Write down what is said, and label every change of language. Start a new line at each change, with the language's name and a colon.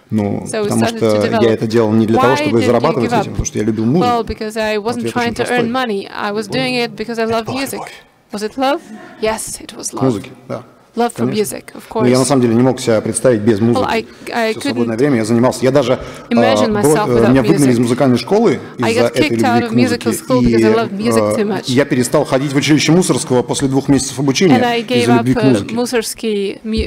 Russian: Ну, потому что я это делал не для того, чтобы зарабатывать этим, потому что я любил музыку.
English: Well, because I wasn't trying to earn money. I was doing it because I love music. Was it love? Yes, it was love.
Russian: Музыки, да.
English: Love for music, of course.
Russian: Я на самом деле не мог себя представить без музыки.
English: Well, I
Russian: все свободное время я занимался. Я даже меня выгнали из музыкальной школы из-за этой любви к музыке. И я перестал ходить в училище Мусоргского после двух месяцев обучения из-за любви к музыке.